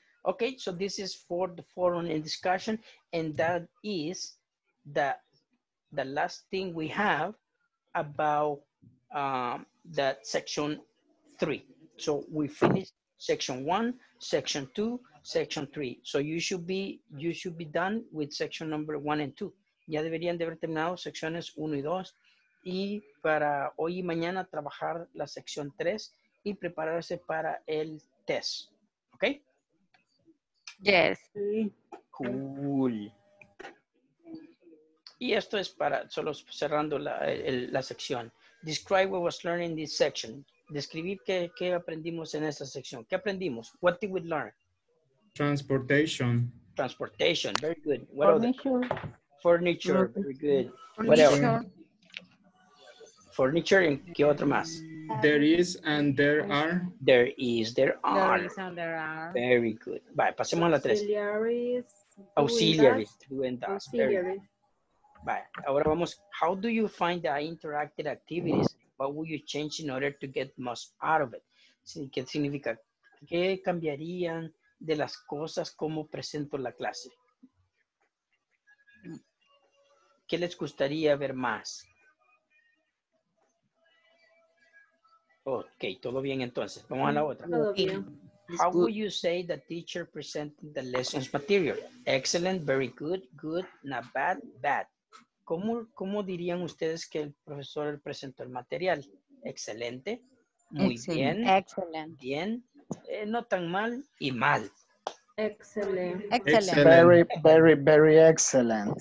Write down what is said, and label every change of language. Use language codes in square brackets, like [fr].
[en] Okay, so this is for the forum and discussion, and that is the last thing we have about that section 3. So we finished section 1, section 2, section 3. So you should be done with section number 1 and 2. [es] Ya deberían de haber terminado secciones 1 y 2 y para hoy y mañana trabajar la sección 3 y prepararse para el test. [en] Okay? Yes. Cool. [es] Y esto es para solo cerrando la sección. [en] Describe what was learned in this section. [es] Describir qué aprendimos en esta sección. ¿Qué aprendimos? [en] What did we learn? Transportation. Transportation. Very good. What furniture. Furniture. Very good. Furniture. What else? Furniture. [es] ¿Y qué otro más? [en] There is and there are. There is. There are. There is and there are. Very good. [es] Vale, pasemos a la tres. [en] Auxiliaries. Auxiliaries. Auxiliaries. Very good. [es] Vale. Ahora vamos. [en] How do you find the interactive activities? What would you change in order to get most out of it? [es] ¿Qué significa? ¿Qué cambiarían de las cosas como presento la clase? ¿Qué les gustaría ver más? Ok, todo bien entonces. Vamos a la otra. Todo bien. [en] How would you say the teacher presented the lesson's material? Excellent, very good, good, not bad, bad. [es] ¿Cómo dirían ustedes que el profesor presentó el material? Excelente, muy [en] excellent. [es] Bien, [en] excellent. [es] Bien, no tan mal y mal. [en] Excellent. Very, very, very excellent.